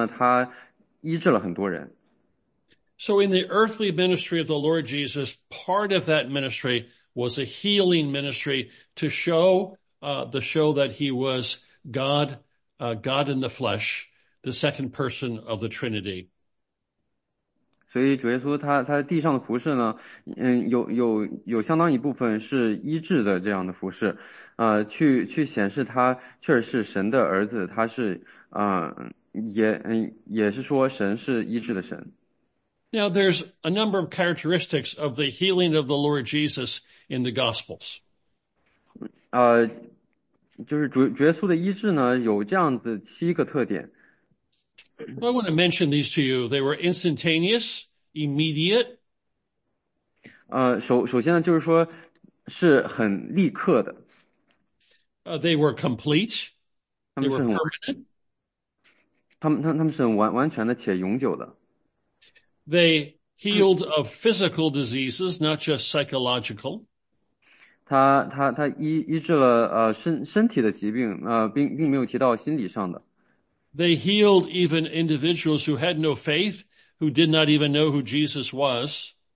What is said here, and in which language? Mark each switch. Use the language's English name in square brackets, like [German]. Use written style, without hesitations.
[Chinese] 在主耶稣的比较早期的服事中呢，他医治了很多人。 [English] So in the earthly ministry of the Lord Jesus, part of that ministry was a healing ministry to show, that he was God, God in the flesh, the second person of the Trinity. [Chinese] 所以主耶稣他在地上的服事呢，有相当一部分是医治的这样的服事，去显示他确实是神的儿子，他是也是说神是医治的神。 [English] Now there's a number of characteristics of the healing of the Lord Jesus in the Gospels. [Chinese] 就是主耶稣的医治呢，有这样子7个特点。 [English] I want to mention these to you. They were instantaneous, immediate. [Chinese] 首先呢，就是说，是很立刻的。 [English] They were complete. They were permanent. [Chinese] 他们是很完全的且永久的。 [English] They healed of physical diseases, not just psychological. [Chinese] 他医治了身体的疾病，并没有提到心理上的。 [English] They healed even individuals who had no faith, who did not even know who Jesus was.